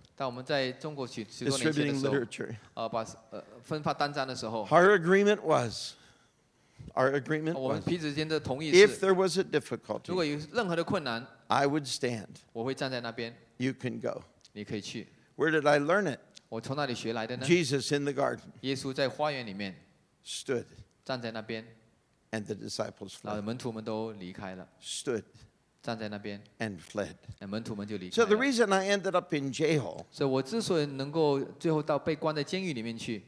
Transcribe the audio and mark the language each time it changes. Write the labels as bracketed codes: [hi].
[zh] 当我们在中国许多年前的时候, [en] distributing literature, [zh] 分发单张的时候, [en] our agreement was, if there was a difficulty, [zh] 如果有任何的困难, [en] I would stand. [zh] 我会站在那边。 [en] You can go. [zh] 你可以去。 [en] Where did I learn it? [zh] 我从哪里学来的呢? [en] Jesus in the garden. [zh] 耶稣在花园里面 [en] stood. [zh] 站在那边。 [en] And the disciples fled. [zh] 门徒们都离开了。 [en] Stood. [zh] 站在那边。 [en] And fled. [zh] 门徒们就离开了。 [en] So the reason I ended up in jail, [zh] 所以我之所以能够最后到被关在监狱里面去,